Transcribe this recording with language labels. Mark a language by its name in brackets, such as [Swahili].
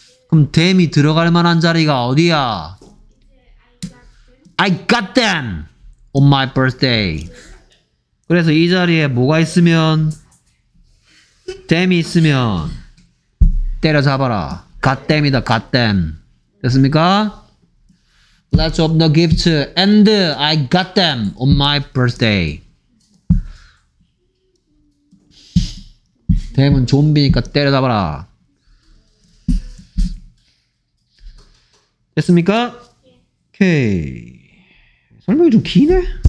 [Korean] 그럼 them이 들어갈 만한 자리가 어디야? [English] I got them on my birthday. [Korean] 그래서 이 자리에 뭐가 있으면 them이 있으면 때려잡아라. got them이다. got them. 됐습니까? [English] Let's open the gift and I got them on my birthday. [Korean] 뱀은 좀비니까 때려잡아라. 됐습니까? 오케이. 설명이 좀 기네?